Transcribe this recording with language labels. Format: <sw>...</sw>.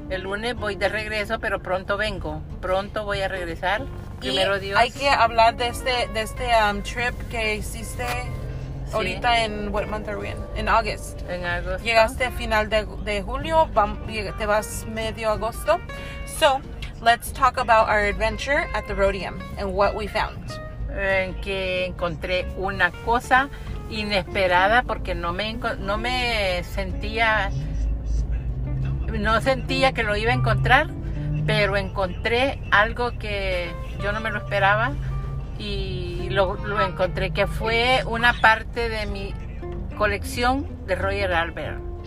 <es>El lunes voy de regreso, pero pronto vengo. Pronto voy a regresar. Primero Dios. Hay que hablar de este trip que hiciste ahorita en</es> <en>what month are we in?</en> <es>En August. En agosto. Llegaste a final de julio, te vas medio agosto.</es> <en>So, let's talk about our adventure at the Rhodium and what we found.</en> <es>En que encontré una cosa inesperada porque no sentía que lo iba a encontrar, pero encontré algo que yo no me lo esperaba y lo encontré, que fue una parte de mi colección de Roger Albert.</es>